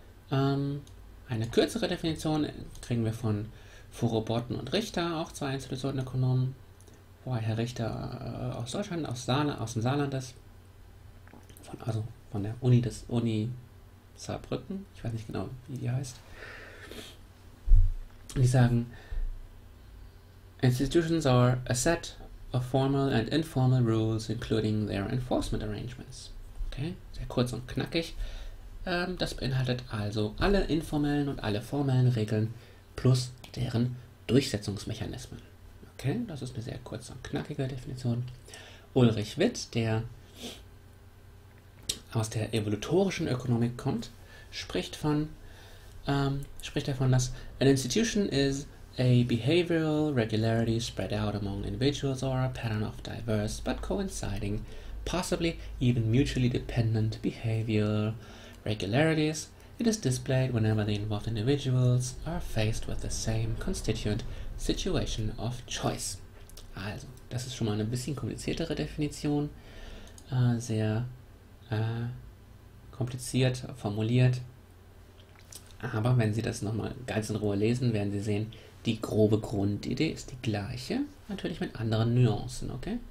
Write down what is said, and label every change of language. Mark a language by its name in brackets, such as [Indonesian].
[German] Eine kürzere Definition kriegen wir von Foro Botten und Richter, auch zwei Institutionenökonomen, wobei Herr Richter aus Deutschland, aus dem Saarland ist, also von der Uni Saarbrücken, ich weiß nicht genau, wie die heißt. Die sagen, [English] Institutions are a set of formal and informal rules, including their enforcement arrangements. [German] Okay, sehr kurz und knackig. Das beinhaltet also alle informellen und alle formellen Regeln plus deren Durchsetzungsmechanismen. Okay, das ist eine sehr kurze und knackige Definition. Ulrich Witt, der aus der evolutorischen Ökonomik kommt, spricht davon, dass [English] an institution is a behavioral regularity spread out among individuals or a pattern of diverse but coinciding, possibly even mutually dependent behavioral regularities. It is displayed whenever the involved individuals are faced with the same constituent situation of choice. [German] Also, das ist schon mal eine bisschen kompliziertere Definition, sehr kompliziert formuliert. Aber wenn Sie das nochmal ganz in Ruhe lesen, werden Sie sehen, die grobe Grundidee ist die gleiche, natürlich mit anderen Nuancen, okay?